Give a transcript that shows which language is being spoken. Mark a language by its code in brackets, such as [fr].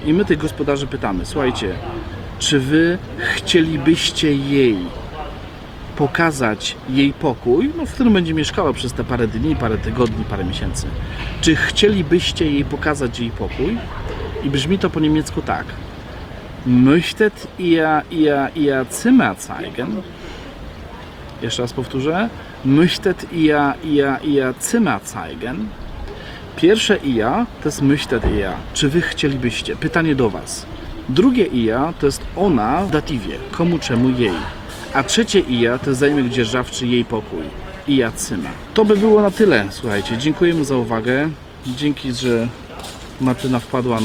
[pl] I my tych gospodarzy pytamy, słuchajcie, czy wy chcielibyście jej pokazać jej pokój, no, w którym będzie mieszkała przez te parę dni, parę tygodni, parę miesięcy. Czy chcielibyście jej pokazać jej pokój? I brzmi to po niemiecku tak. [de] Möchtet ihr Zimmer zeigen? [pl] Jeszcze raz powtórzę. [de] Möchtet ihr Zimmer zeigen? [pl] Pierwsze ihr to jest [de] möchtet ihr. [pl] Czy wy chcielibyście? Pytanie do was. Drugie ihr to jest ona w datywie. Komu, czemu, jej. A trzecie ihr to jest zaimek dzierżawczy jej pokój. [de] Ihr Zimmer. [pl] To by było na tyle, słuchajcie. Dziękujemy za uwagę. Dzięki, że Martyna wpadła na...